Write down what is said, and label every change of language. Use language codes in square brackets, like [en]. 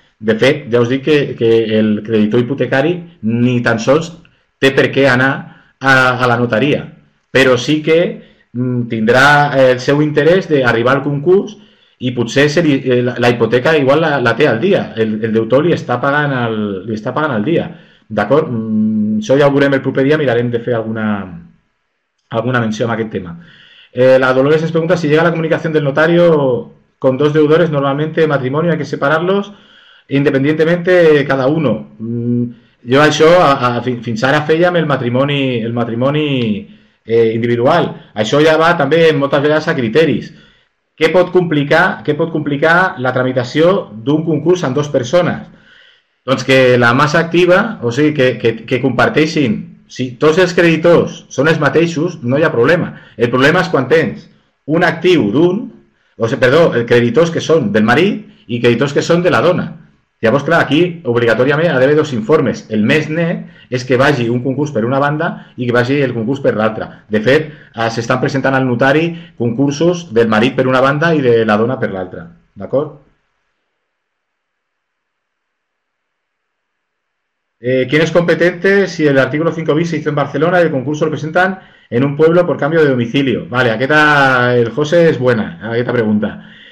[ca] De fet, ja us dic que el creditor hipotecari ni tan sols té per què anar a la notaria, però sí que tindrà el seu interès d'arribar al concurs i potser la hipoteca igual la té al dia, el deutor li està pagant al dia, d'acord? Això ja ho veurem el proper dia, mirarem de fer alguna menció en aquest tema. [es] La Dolores es pregunta si llega la comunicación del notario con dos deudores, normalmente matrimonio, hay que separarlos independientemente cada uno. [ca] Yo això, fins ara fèiem el matrimoni individual. Això ja va també moltes vegades a criteris. Què pot complicar la tramitació d'un concurs amb dues persones? Doncs que la massa activa, o sigui, que comparteixin. Si tots els creditors són els mateixos, no hi ha problema. El problema és quan tens un actiu d'un, o sigui, perdó, creditors que són del marit i creditors que són de la dona. Llavors, clar, aquí obligatòriament ha d'haver dos informes. El més net és que vagi un concurs per una banda i que vagi el concurs per l'altra. De fet, s'estan presentant al notari concursos del marit per una banda i de la dona per l'altra. D'acord? [es] ¿Quién es competente si el artículo 5 bis se hizo en Barcelona y el concurso lo presentan en un pueblo por cambio de domicilio? Vale, aquí está el José, es buena, aquí está pregunta.